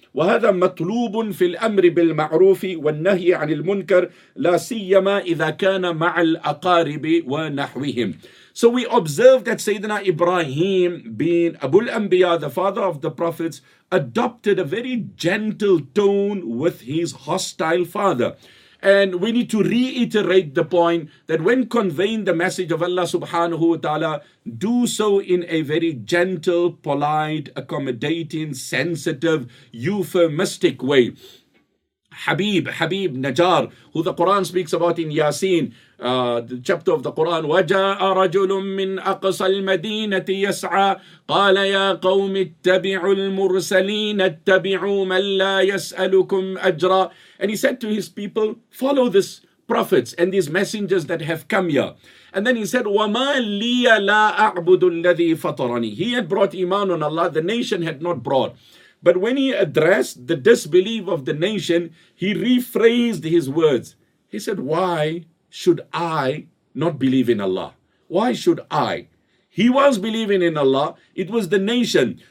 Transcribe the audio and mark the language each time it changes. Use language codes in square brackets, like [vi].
[ar] وهذا مطلوب في الأمر بالمعروف والنهي عن المنكر لا سيما إذا كان مع الأقارب ونحوهم. [en] So we observe that Sayyidina Ibrahim, being Abul Anbiya, the father of the prophets, adopted a very gentle tone with his hostile father. And we need to reiterate the point that when conveying the message of Allah subhanahu wa ta'ala, do so in a very gentle, polite, accommodating, sensitive, euphemistic way. Habib Najjar, who the Quran speaks about in Yasin, the chapter of the Quran, [ar] وَجَاءَ رَجُلٌ مِّنْ أَقْصَى الْمَدِينَةِ يَسْعَى قَالَ يَا قَوْمِ اتَّبِعُوا الْمُرْسَلِينَ اتَّبِعُوا مَنْ لَا يَسْأَلُكُمْ أَجْرًا. [en] And he said to his people, follow this prophets and these messengers that have come here. And then he said, [ar] وَمَا لِيَ لَا أَعْبُدُ الَّذِي فَطَرَنِي. [en] He had brought iman on Allah, the nation had not brought. But when he addressed the disbelief of the nation, he rephrased his words. He said, why should I not believe in Allah? Why should I? He was believing in Allah. It was the nation.